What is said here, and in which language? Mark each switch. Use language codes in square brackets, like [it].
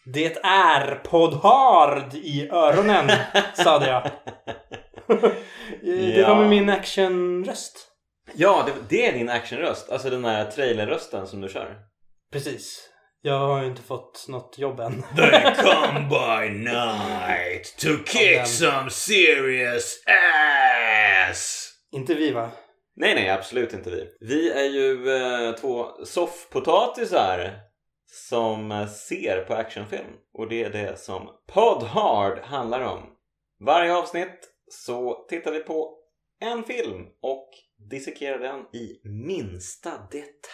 [sv] Det är poddhard i öronen, sa jag. Ja. Det var med min actionröst. Ja, det är din actionröst. Alltså den här trailerrösten som du kör. Precis. Jag har ju inte fått något jobb än. [en] They come by night to kick some serious ass. [sv] Inte vi, va? Nej, nej, absolut inte vi. Vi är ju två soffpotatisar som ser på actionfilm. Och det är det som Podhard handlar om. Varje avsnitt så tittar vi på en film och dissekerar den i minsta detalj.